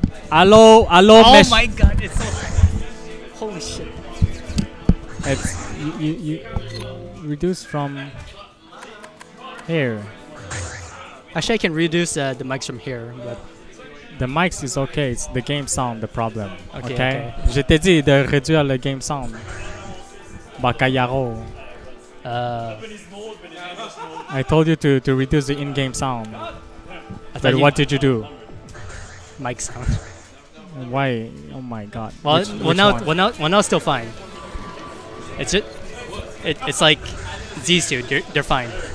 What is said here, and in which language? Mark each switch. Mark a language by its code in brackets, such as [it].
[en] Hello. Oh my god, it's so high. Holy shit. It's you reduce from here. Actually, I can reduce the mics from here, but the mics is okay. It's the game sound the problem. Okay. [fr] Je t'ai dit de réduire le game sound. [ja] Bakayaro. [en] I told you to reduce the in-game sound. But what did you do? Mic sound. Why? Oh my god. Well, now it's still fine. It's just, it's like these two, they're fine.